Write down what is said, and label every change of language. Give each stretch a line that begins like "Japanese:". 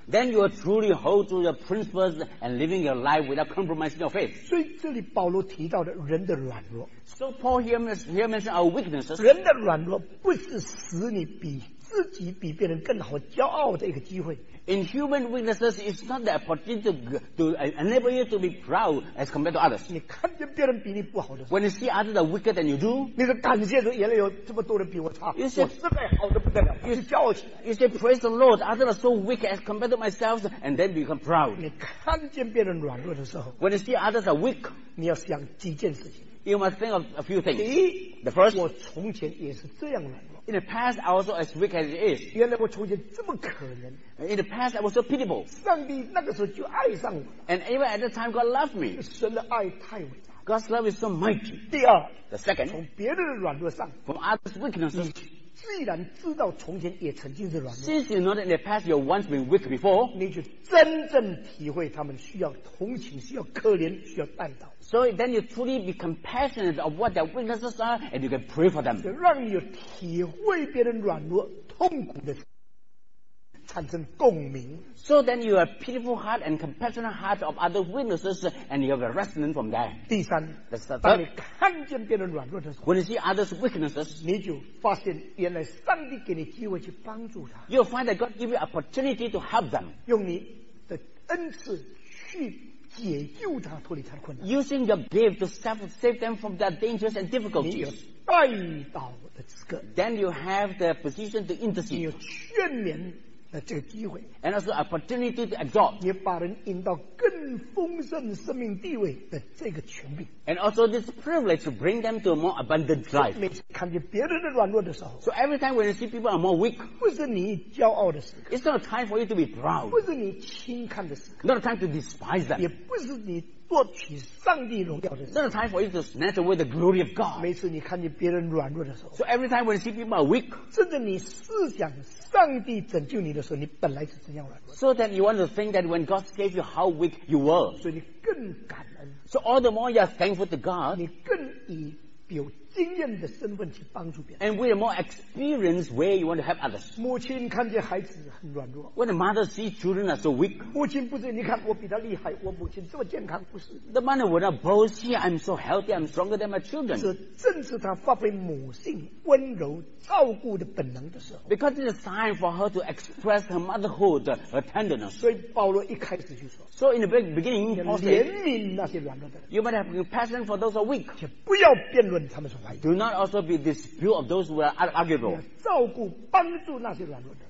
English: Then you will truly hold to your principles and living your life without compromising your faith.
Chinese: 所以这里保罗提到的人的软弱。
English: So Paul here mentioned our weaknesses.
Chinese: 人的软弱不是使你比自己比别人更好骄傲的一个机会。
English: In human weaknesses, it's not the opportunity to enable you to be proud as compared to others.
Chinese: 你看见别人比你不好的时候，
English: When you see others are weaker than you do,
Chinese: 你的感谢说原来有这么多人比我差，
English: you say,
Chinese: 我实在好得不得了，
English: you say,
Chinese: 是骄傲起来。
English: You say, praise the Lord, others are so weak as compared to myself, and then become proud.
Chinese: 你看见别人软弱的时候，
English: When you see others are weak,
Chinese: 你要想几件事情。
English: You must think of a few things.
Chinese: 第一，
English: the first,
Chinese: 我从前也是这样软弱。
English: In the past, I was also as weak as it is.
Chinese: 原来我从前这么可怜。
English: In the past, I was so pitiable.
Chinese: 上帝那个时候就爱上我。
English: And even at that time, God loved me.
Chinese: 神的爱太伟大。
English: God's love is so mighty.
Chinese: 第二，
English: the second,
Chinese: 从别人的软弱上，
English: from others' weaknesses,
Chinese: 你既然知道从前也曾经是软弱，
English: since you know that in the past you once been weak before,
Chinese: 你就真正体会他们需要同情，需要可怜，需要担当。
English: So then you truly be compassionate of what their weaknesses are, and you can pray for them.
Chinese: 让你体会别人软弱痛苦的产生共鸣。
English: So then you have pitiful heart and compassionate heart of other weaknesses, and you have a resonance from that.
Chinese: 第三，当你看见别人软弱的时候，
English: when you see others' weaknesses,
Chinese: 你就发现原来上帝给你机会去帮助他。
English: You find that God give you opportunity to help them.
Chinese: 用你的恩赐去解救他脱离他的困难。
English: Using your gift to save them from their dangers and difficulties.
Chinese: 你有代祷的资格。
English: Then you have the position to intercede.
Chinese: 你有劝勉的这个机会。
English: And also opportunity to exhort.
Chinese: 你把人引到更丰盛生命地位的这个权柄。
English: And also this privilege to bring them to a more abundant life.
Chinese: 每次看见别人的软弱的时候。
English: So every time when you see people are more weak.
Chinese: 不是你骄傲的时刻。
English: It's not a time for you to be proud.
Chinese: 不是你轻看的时刻。
English: Not a time to despise them.
Chinese: 也不是你夺取上帝荣耀的时候。
English: That's the time for you to snatch away the glory of God.
Chinese: 每次你看见别人软弱的时候。
English: So every time when you see people are weak.
Chinese: 甚至你思想上帝拯救你的时候，你本来是怎样软弱。
English: So then you want to think that when God gave you how weak you were.
Chinese: 所以你更感恩。
English: So all the more you are thankful to God.
Chinese: 你更以有经验的身份去帮助别人。
English: And with a more experienced way, you want to help others.
Chinese: 母亲看见孩子很软弱。
English: When the mother sees children are so weak.
Chinese: 母亲不是，你看我比他厉害，我母亲这么健康，不是。
English: The mother would not boast, "I'm so healthy, I'm stronger than my children."
Chinese: 是正是她发挥母性温柔照顾的本能的时候。
English: Because it's a sign for her to express her motherhood, her tenderness.
Chinese: 所以保罗一开始就说。
English: So in the beginning, Paul said,
Chinese: 怜悯那些软弱的人。
English: You might have compassion for those who are weak.
Chinese: 且不要辩论。
English: Do not also be disputed of those who are arguable.
Chinese: 照顾帮助那些软弱的。